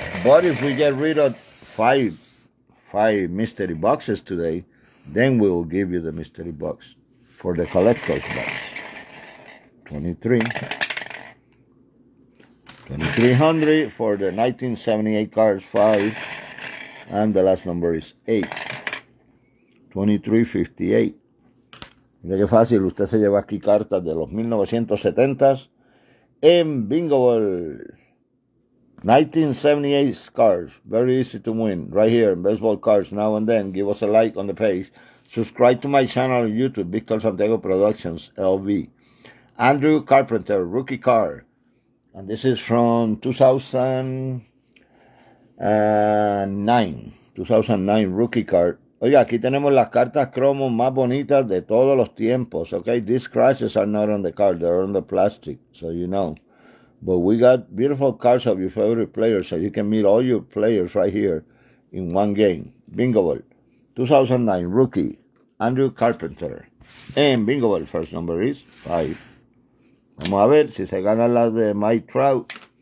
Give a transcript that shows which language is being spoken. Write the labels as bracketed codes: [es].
[en] But if we get rid of 5 mystery boxes today, then we will give you the mystery box for the collector's box. 2,300 for the 1978 cards, 5, and the last number is 8. 2,358. [es] Mira qué fácil, usted se lleva aquí cartas de los 1970s en Bingo Ball. [en] 1978 cards, very easy to win, right here, baseball cards, now and then. Give us a like on the page. Subscribe to my channel on YouTube, Victor Santiago Productions, LV. Andrew Carpenter, rookie card. And this is from 2009 rookie card. [es] Oiga, aquí tenemos las cartas cromo más bonitas de todos los tiempos, okay? [en] These scratches are not on the card, they're on the plastic, so you know. But we got beautiful cards of your favorite players, so you can meet all your players right here in one game. Bingo Ball, 2009 rookie, Andrew Carpenter. And Bingo Ball, first number is 5. [es] Vamos a ver si se gana la de Mike Trout.